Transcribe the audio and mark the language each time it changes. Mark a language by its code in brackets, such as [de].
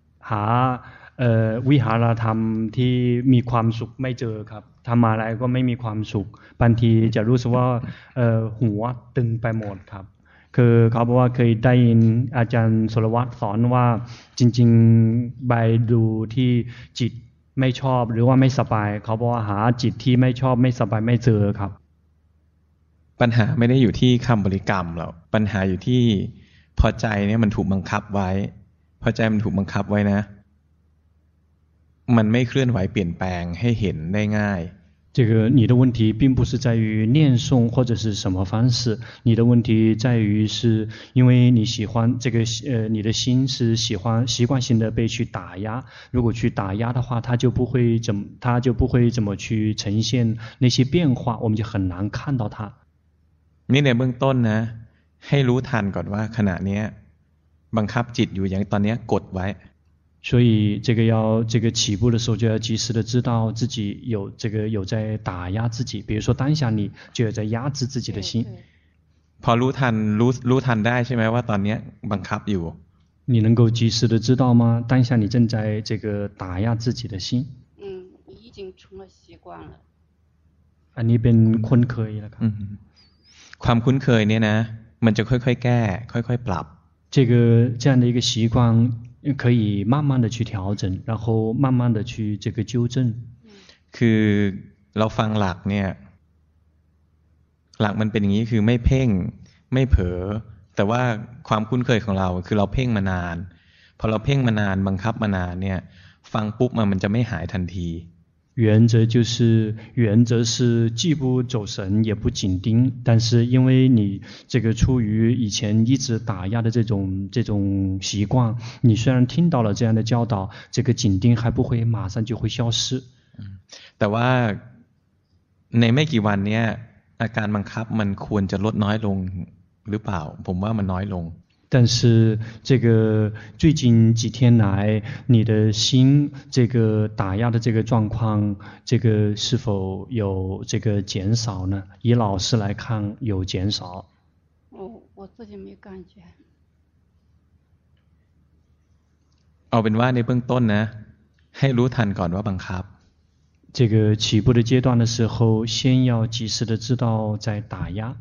[th] หาวิหารธรรมที่มีความสุขไม่เจอครับทำอะไรก็ไม่มีความสุขบางทีจะรู้สึกว่าหัวตึงไปหมดครับคือเขาบอกว่าเคยได้ยินอาจารย์สุรวัตรสอนว่าจริงๆไปดูที่จิตไม่ชอบหรือว่าไม่สบายเขาบอกว่าหาจิตที่ไม่ชอบไม่สบายไม่เจอครับ ปัญหาไม่ได้อยู่ที่คำบริกรรมหรอกปัญหาอยู่ที่พอใจเนี่ยมันถูกบังคับไว้พอใจมันถูกบังคับไว้นะมันไม่เคลื่อนไหวเปลี่ยนแปลงให้เห็นได้ง่าย [zh] 这个你的问题并不是在于念诵或者是什么方式，你的问题在于是因为你喜欢这个你的心是喜欢习惯性的被去打压，如果去打压的话，它就不会怎么去呈现那些变化，我们就很难看到它。 [th] นี่ในเบื้องต้นนะให้รู้ทันก่อนว่าขณะนี้บังคับจิตอยู่อย่างตอนนี้กดไว้ [zh] 所以这个要这个起步的时候就要及时的知道自己有这个有在打压自己，比如说当下你就要在压制自己的心。 [th] พอรู้ทันรู้ทันได้ใช่ไหมว่าตอนนี้บังคับอยู่。 [zh] 你能够及时的知道吗？当下你正在这个打压自己的心。嗯，已经成了习惯了。 [th] อันนี้เป็นคุ้นเคยแล้วครับ。嗯，ความคุ้นเคยเนี่ยนะมันจะค่อยค่อยแก้ค่อยค่อยปรับ。 [zh] 这个这样的一个习惯。可以慢慢的去调整，然后慢慢的去这个纠正。 [th] คือเราฟังหลักเนี่ยหลักมันเป็นอย่างนี้คือไม่เพ่งไม่เผลอแต่ว่าความคุ้นเคยของเราคือเราเพ่งมานานพอเราเพ่งมานานบังคับมานานเนี่ยฟังปุ๊บมันจะไม่หายทันที [zh] 原则就是原则是既不走神也不紧盯，但是因为你这个出于以前一直打压的这种习惯，你虽然听到了这样的教导，这个紧盯还不会马上就会消失。 [th] 嗯，แต่ว่าในไม่กี่วันเนี้ยอาการบังคับมันควรจะลดน้อยลงหรือเปล่าผมว่ามันน้อยลง [zh] 但是这个最近几天来你的心这个打压的这个状况这个是否有这个减少呢以老师来看有减少我自己没感觉 [th] เอาเป็นว่าในเบื้องต้นนะให้รู้ทันก่อนว่าบังคับ [zh] 这个起步的阶段的时候先要及时的知道在打压